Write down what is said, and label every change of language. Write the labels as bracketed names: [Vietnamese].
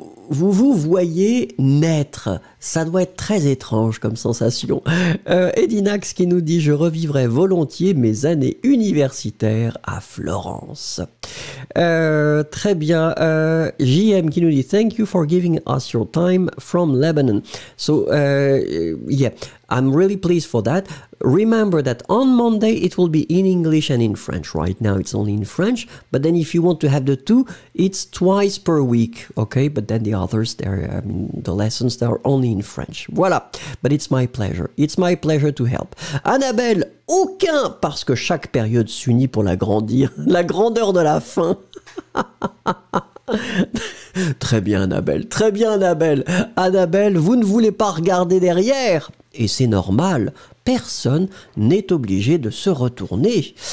[French] Vous voyez naître, ça doit être très étrange comme sensation. Edinax qui nous dit « Je revivrai volontiers mes années universitaires à Florence ». Très bien, JM qui nous dit « [English] Thank you for giving us your time from Lebanon ». So, yeah, I'm really pleased for that. Remember that on Monday it will be in English and in French. Right now it's only in French, but then if you want to have the two, it's twice per week, okay? But then the others, the lessons, they are only in French. Voilà, but it's my pleasure. It's my pleasure to help. [French] Annabelle, aucun, parce que chaque période s'unit pour l'agrandir, la grandeur de la fin. Très bien, Annabelle. Annabelle, vous ne voulez pas regarder derrière? Et c'est normal, personne n'est obligé de se retourner.